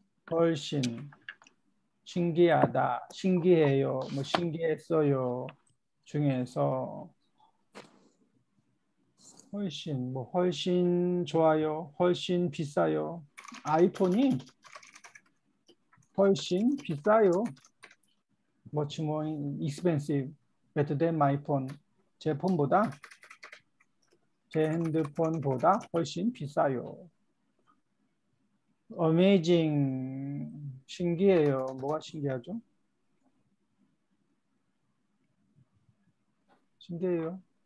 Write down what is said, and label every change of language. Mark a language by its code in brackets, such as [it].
[ko] 훨씬 신기하다, 신기해요, 뭐 신기했어요 중에서 훨씬 뭐 훨씬 좋아요, 훨씬 비싸요. 아이폰이 훨씬 비싸요. [en] Much more expensive, better than my phone. [ko] 제 폰보다. 제 핸드폰보다 훨씬 비싸요. [en] Amazing. [ko] 신기해요. 뭐가 신기하죠? 신기해요.